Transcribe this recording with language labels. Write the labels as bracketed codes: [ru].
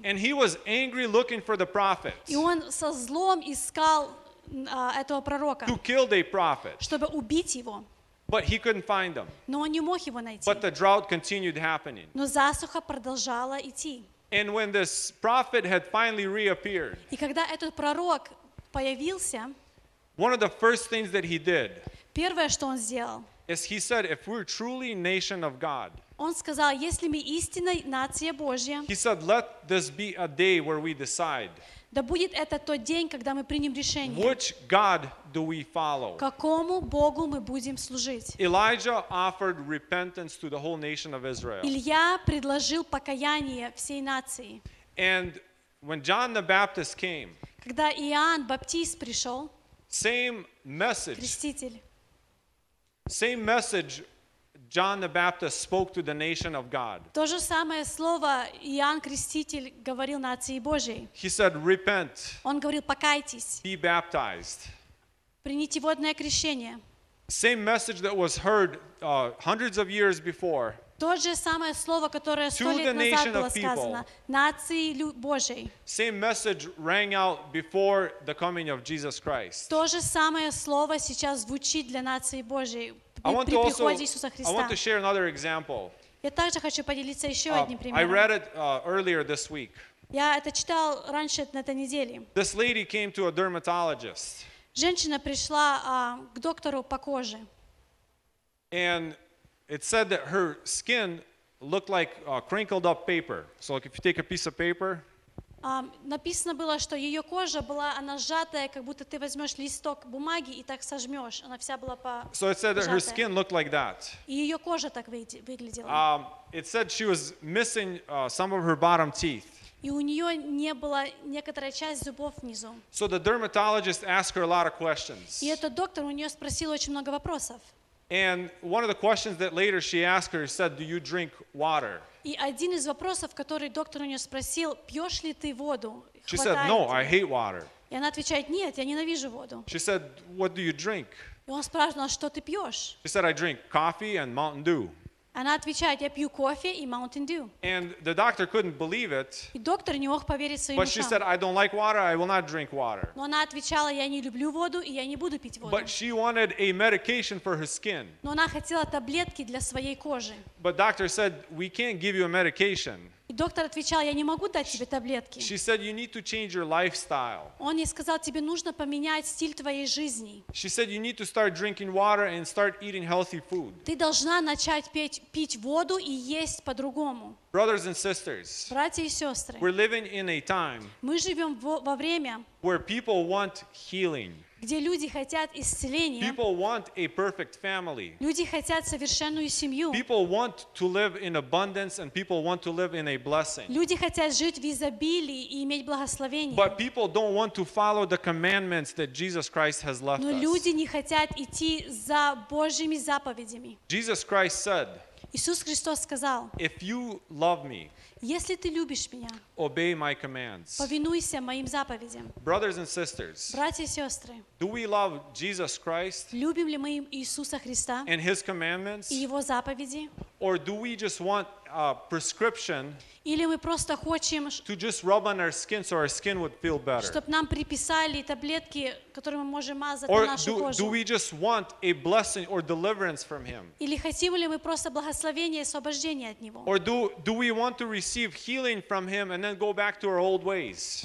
[en] And he was angry looking for the prophet. [ru] И он со злом искал этого пророка. [en] Who killed a prophet. [ru] Чтобы убить его. [en] But he couldn't find them. [ru] Но он не мог его найти. [en] But the drought continued happening. [ru] Но засуха продолжала идти. [en] And when this prophet had finally reappeared. [ru] И когда этот пророк появился. [en] One of the first things that he did. [ru] Первое, что он сделал. [en] As he said, if we're truly a nation of God, [ru] он сказал, если мы истинная нация Божья, [en] he said, let this be a day where we decide. [ru] Да будет это тот день, когда мы примем решение. [en] Which God do we follow? [ru] Какому Богу мы будем служить? [en] Elijah offered repentance to the whole nation of Israel. [ru] Илия предложил покаяние всей нации. [en] And when John the Baptist came, [ru] когда Иоанн Баптист пришел, [en] same message. [ru] Креститель. [en] Same message John the Baptist spoke to the nation of God. [ru] То же самое слово Иоанн Креститель говорил нации Божьей. [en] He said, "Repent." [ru] Он говорил, покайтесь. [en] Be baptized. [ru] Примите водное крещение. [en] Same message that was heard hundreds of years before. [ru] То же самое слово, которое сто лет назад было сказано нации Божьей. [en] Same message rang out before the coming of Jesus Christ. [ru] То же самое слово сейчас звучит для нации Божьей при приходе Иисуса Христа. [en] I want to share another example. [ru] Я также хочу поделиться еще одним примером. [en] I read it earlier this week. [ru] Я это читал раньше на этой неделе. [en] This lady came to a dermatologist. [ru] Женщина пришла к доктору по коже. [en] And it said that her skin looked like crinkled up paper. So like if you take a piece of paper. [ru] Написано было, что ее кожа была, она сжатая, как будто ты возьмешь листок бумаги и так сожмешь. Она вся была сжатая. [en] So it said that her skin looked like that. [ru] И ее кожа так выглядела. [en] It said she was missing some of her bottom teeth. [ru] И у нее не было некоторая часть зубов внизу. [en] So the dermatologist asked her a lot of questions. [ru] И этот доктор у нее спросил очень много вопросов. [en] And one of the questions that later she asked her said, "Do you drink water?" [ru] И один из вопросов, который доктор у нее спросил, пьешь ли ты воду? [en] She said, "No, I hate water." [ru] И она отвечает, нет, я ненавижу воду. [en] She said, "What do you drink?" [ru] И он спрашивает, что ты пьешь? [en] She said, "I drink coffee and Mountain Dew." [ru] Она отвечает, я пью кофе и Mountain Dew. [en] And the doctor couldn't believe it. [ru] И доктор не мог поверить своим ушам. [en] But she said, "I don't like water. I will not drink water." [ru] Но она отвечала, я не люблю воду и я не буду пить воду. [en] But she wanted a medication for her skin. [ru] Но она хотела таблетки для своей кожи. [en] But doctor said, "We can't give you a medication." [ru] И доктор отвечал, я не могу дать тебе таблетки. [en] She said, "You need to change your lifestyle." [ru] Он ей сказал, тебе нужно поменять стиль твоей жизни. [en] She said, "You need to start drinking water and start eating healthy food." [ru] Ты должна начать пить воду и есть по-другому. [en] Brothers and sisters, [ru] братья и сестры, [en] we're living in a time, [ru] мы живем во время, [en] where people want healing. [ru] Где люди хотят исцеления. [en] People want a perfect family. [ru] Люди хотят совершенную семью. [en] People want to live in abundance and people want to live in a blessing. [ru] Люди хотят жить в изобилии и иметь благословение. [en] But people don't want to follow the commandments that Jesus Christ has left us. [ru] Но люди не хотят идти за Божьими заповедями. [en] Jesus Christ said, [ru] Иисус Христос сказал: [en] If you love me, [ru] если ты любишь меня, [en] obey my commands. [ru] Повинуйся моим заповедям. [en] Brothers and sisters, [ru] братья и сестры, [en] do we love Jesus Christ? [ru] Любим ли мы Иисуса Христа? [en] And his commandments? [ru] И его заповеди? [en] Or do we just want a prescription? [ru] Или мы просто хотим [en] to just rub on our skin so our skin would feel better? [ru] Чтоб нам приписали таблетки, которые мы можем мазать на нашу кожу. [en] Or do we just want a blessing or deliverance from him? [ru] Или хотим ли мы просто благословение и освобождение от него? [en] Or do we want to receive healing from him and then go back to our old ways?